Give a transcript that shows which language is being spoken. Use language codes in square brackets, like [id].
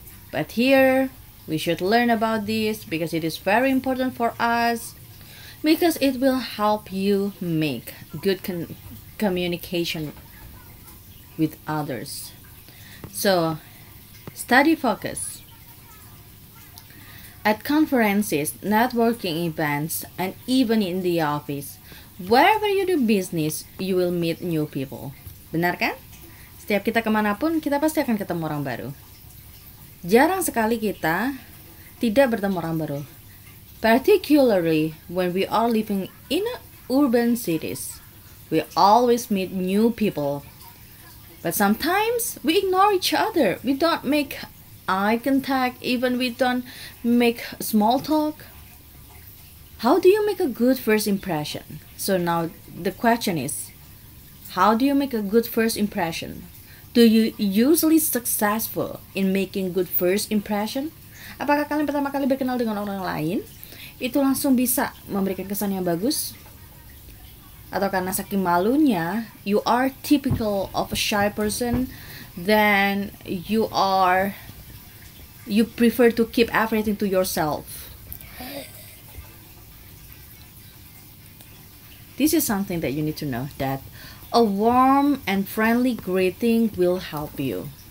[en] But here we should learn about this because it is very important for us, because it will help you make good communication with others. So study focus. At conferences, networking events, and even in the office, wherever you do business, you will meet new people. [id] Benar kan? Setiap kita kemanapun, kita pasti akan ketemu orang baru. Jarang sekali kita tidak bertemu orang baru. [en] Particularly when we are living in urban cities, we always meet new people. But sometimes we ignore each other. We don't make eye contact, even we don't make small talk. How do you make a good first impression? So now the question is, how do you make a good first impression? Do you usually successful in making good first impression? [id] Apakah kalian pertama kali berkenal dengan orang lain itu langsung bisa memberikan kesan yang bagus? Atau karena saking malunya, [en] you are typical of a shy person, then you prefer to keep everything to yourself? This is something that you need to know, that a warm and friendly greeting will help you.